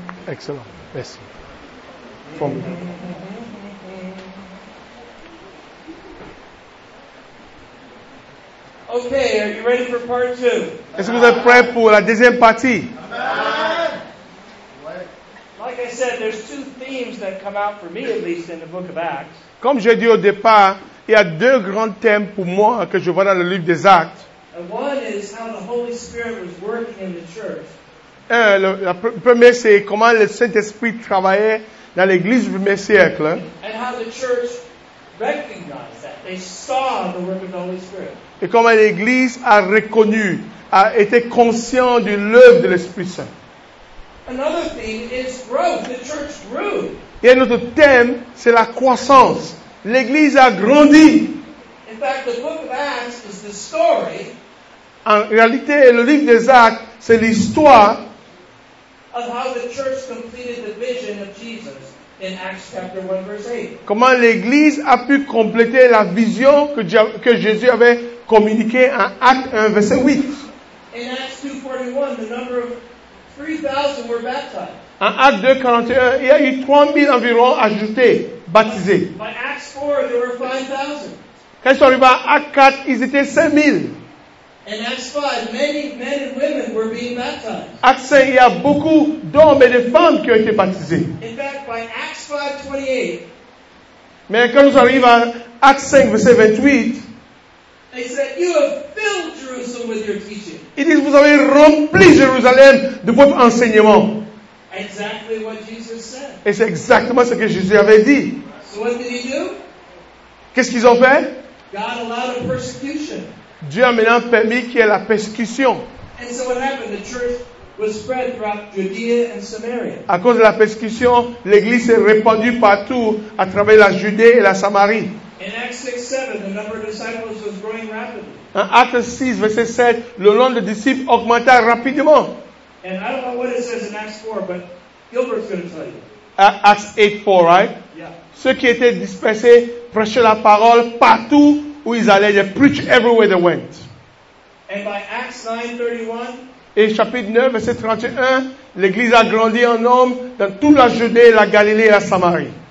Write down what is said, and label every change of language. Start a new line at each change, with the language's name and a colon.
French: Excellent, merci. Formidable.
English: Okay, are you ready for part two?
French: Est-ce que vous êtes prêt pour la deuxième partie?
English: Like I said, there's two themes that come out for me at least in the book of Acts.
French: Comme j'ai dit au départ, il y a deux grands thèmes pour moi que je vois dans le livre des Actes.
English: And one is how the Holy Spirit was working in the church.
French: Le premier c'est comment le Saint-Esprit travaillait dans l'église du premier siècle.
English: And how the church recognized that. They saw the work of the Holy Spirit.
French: Et comment l'Église a reconnu, a été conscient de l'œuvre de l'Esprit Saint.
English: Another thing is growth. The church grew.
French: Et un autre thème, c'est la croissance. L'Église a grandi.
English: In fact, the book of Acts is the story.
French: En réalité, le livre des Actes, c'est l'histoire
English: of how the church completed the vision of Jesus in Acts chapter 1 verse 8.
French: Comment l'Église a pu compléter la vision que Jésus avait communiqué en Acte 1, verset 8.
English: In Acts 2, 41, the number of 3,000 were baptized.
French: En Acte 2, 41, il y a eu 3,000 environ ajoutés, baptisés.
English: By Acts 4, there were 5,000.
French: Quand ils sont arrivés à Acte 4, ils étaient 5,000.
English: In Acts 5, many men and women were being baptized.
French: Acte 5, il y a beaucoup d'hommes et de femmes qui ont été baptisés.
English: In fact, by Acts 5, 28,
French: mais quand nous arrivons à Acte 5, verset 28,
English: they said, you have filled Jerusalem with your teaching.
French: Ils disent, vous avez rempli Jérusalem de votre enseignement.
English: Exactly what Jesus said.
French: Et c'est exactement ce que Jésus avait dit.
English: So what did he do?
French: Qu'est-ce qu'ils ont fait?
English: God allowed a persecution.
French: Dieu a maintenant permis qu'il y ait la persécution.
English: And so what happened? The church was spread throughout Judea and Samaria.
French: À cause de la persécution, l'Église s'est répandue partout à travers la Judée et la Samarie.
English: In Acts 6, 7, the number of disciples was growing rapidly.
French: En Acte 6, verset 7, le nombre de disciples augmenta rapidement.
English: And I don't know what it says in Acts 4, but Gilbert's going to tell you. Acts 8, 4, right? Yeah.
French: Ceux qui étaient dispersés prêchaient la parole partout où ils allaient.
English: They preached everywhere they went. And by Acts 9, 31,
French: et chapitre 9, verset 31, l'Église a grandi en nombre dans toute la Judée, la Galilée et la Samarie.